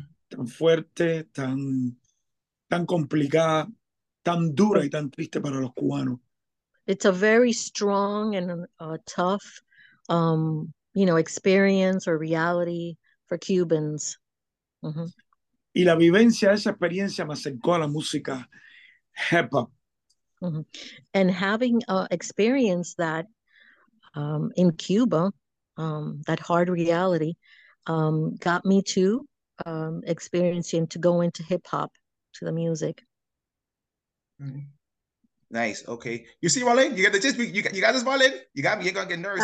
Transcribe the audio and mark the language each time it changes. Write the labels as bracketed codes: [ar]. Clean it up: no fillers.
[es] Tan fuerte, tan, tan complicada, tan dura y tan triste para los cubanos. [en] It's a very strong and tough, you know, experience or reality for Cubans. [es] Y la vivencia de esa experiencia me acercó a la música hip hop. [en] And having experienced that in Cuba, that hard reality, got me to experiencing to go into hip hop, to the music. Nice. Okay. You see, Marlene, you got the gist. You got this, Marlene. You got me. You're gonna get nervous.